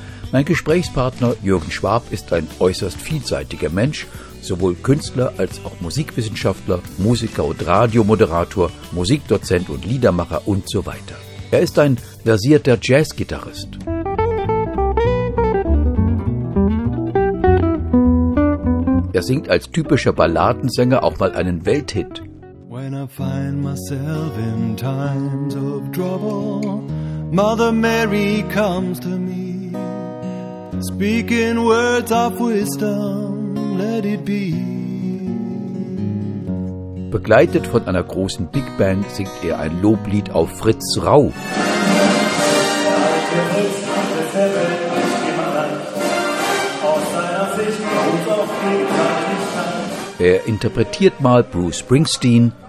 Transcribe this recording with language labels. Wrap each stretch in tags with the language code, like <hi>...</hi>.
<de>Mein Gesprächspartner Jürgen Schwab ist ein äußerst vielseitiger Mensch, sowohl Künstler als auch Musikwissenschaftler, Musiker und Radiomoderator, Musikdozent und Liedermacher und so weiter. Er ist ein versierter Jazzgitarrist. Er singt als typischer Balladensänger auch mal einen Welthit.</de> <en>When I find myself in times of trouble, Mother Mary comes to me, speaking words of wisdom, let it be.</en> <de>Begleitet von einer großen Big Band singt er ein Loblied auf Fritz Rau. Er interpretiert mal Bruce Springsteen.</de>